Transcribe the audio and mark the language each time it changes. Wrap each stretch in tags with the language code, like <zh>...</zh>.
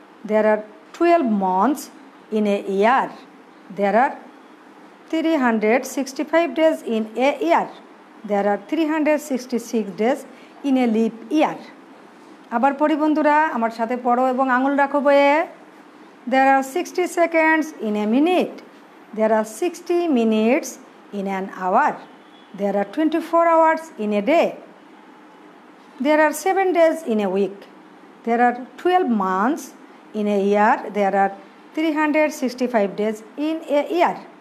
<en>There are 12 months in a year. There are 365 days in a year. There are 366 days in a leap year.</en> <bn>আবার পড়ি বন্ধুরা, আমার সাথে পড়ো এবং আঙুল রাখো বইয়ে।</bn> <en>There are 60 seconds in a minute. There are 60 minutes in an hour. There are 24 hours in a day. There are 7 days in a week. There are 12 months in a year. There are 365 days in a year.</en>